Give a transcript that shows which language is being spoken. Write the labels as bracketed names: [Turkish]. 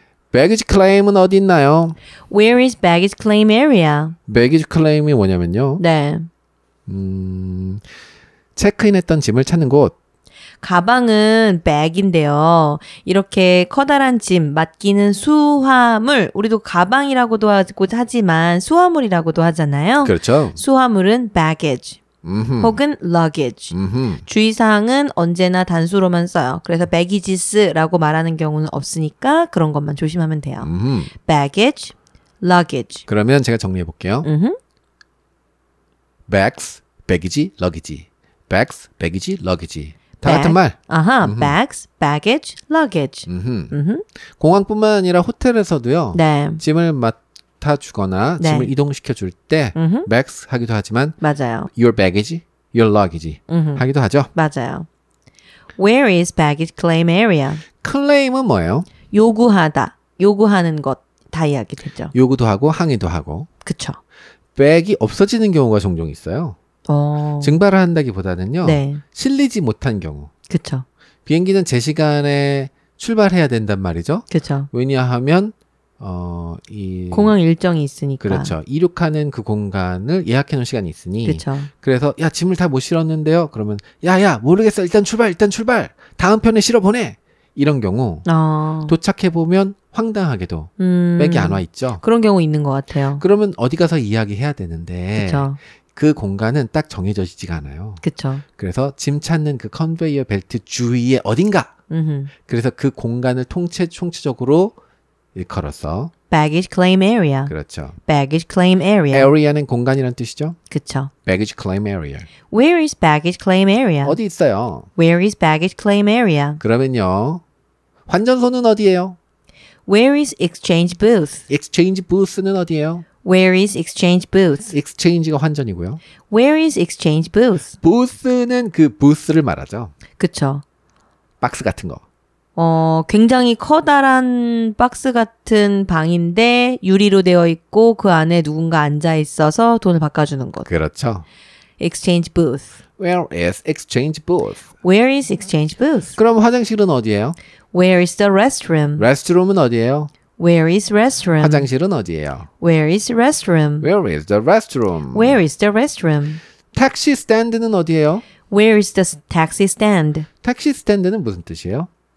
[Korean] Baggage claim은 어디 있나요? [English] Where is baggage claim area? [Korean] Baggage claim이 뭐냐면요. 네. 체크인 했던 짐을 찾는 곳. 가방은 bag인데요. 이렇게 커다란 짐, 맡기는 수화물. 우리도 가방이라고도 하고 하지만 수화물이라고도 하잖아요. 그렇죠. 수화물은 baggage 혹은 luggage. 주의사항은 언제나 단수로만 써요. 그래서 baggages라고 말하는 경우는 없으니까 그런 것만 조심하면 돼요. [English] Baggage, luggage. [Korean] 그러면 제가 정리해볼게요. [English] Bags, baggage, luggage. Bags, baggage, luggage. [Korean] 다 같은 말. [English] Bags, baggage, luggage. [Korean] 공항뿐만 아니라 호텔에서도요. 네. 짐을 맡아주거나 네. 짐을 이동시켜줄 때 bags 하기도 하지만 맞아요. [English] Your baggage, your luggage [Korean] 하기도 하죠. 맞아요. [English] Where is baggage claim area? [Korean] Claim은 뭐예요? 요구하다. 요구하는 것 다 이야기 되죠. 요구도 하고 항의도 하고. 그쵸. Bag이 없어지는 경우가 종종 있어요. 증발을 한다기보다는요. 네. 실리지 못한 경우. 그렇죠. 비행기는 제 시간에 출발해야 된단 말이죠. 그렇죠. 왜냐하면 이 공항 일정이 있으니까. 그렇죠. 이륙하는 그 공간을 예약해 놓은 시간이 있으니. 그렇죠. 그래서 야 짐을 다 못 실었는데요. 그러면 야 모르겠어. 일단 출발. 다음 편에 실어 보내. 이런 경우 도착해 보면 황당하게도 백이 안 와 있죠. 그런 경우 있는 것 같아요. 그러면 어디 가서 이야기해야 되는데. 그렇죠. 그 공간은 딱 정해져 있지가 않아요. 그렇죠. 그래서 짐 찾는 그 컨베이어 벨트 주위에 어딘가. 그래서 그 공간을 총체적으로 일컬어서 [English] baggage claim area. [Korean] 그렇죠. [English] baggage claim area. [Korean] area는 공간이란 뜻이죠? 그렇죠. [English] baggage claim area. Where is baggage claim area? [Korean] 어디 있어요? [English] Where is baggage claim area? [Korean] 그러면요. 환전소는 어디예요? [English] Where is exchange booth? [Korean] exchange booth는 어디예요? [English] Where is exchange booth? [Korean] Exchange가 환전이고요. [English] Where is exchange booth? [Korean] Booth는 그 booth를 말하죠. 그렇죠. 박스 같은 거. 굉장히 커다란 박스 같은 방인데 유리로 되어 있고 그 안에 누군가 앉아 있어서 돈을 바꿔주는 것. 그렇죠. [English] Exchange booth. Where is exchange booth? Where is exchange booth? [Korean] 그럼 화장실은 어디예요? [English] Where is the restroom? [Korean] Restroom은 어디예요? [English] Where is restroom? [Korean] 화장실은 어디예요? [English] Where is restroom? Where is the restroom? Where is the restroom? [Korean] Taxi stand는 어디예요? [English] Where is the taxi stand? [Korean] Taxi stand는 무슨 뜻이에요?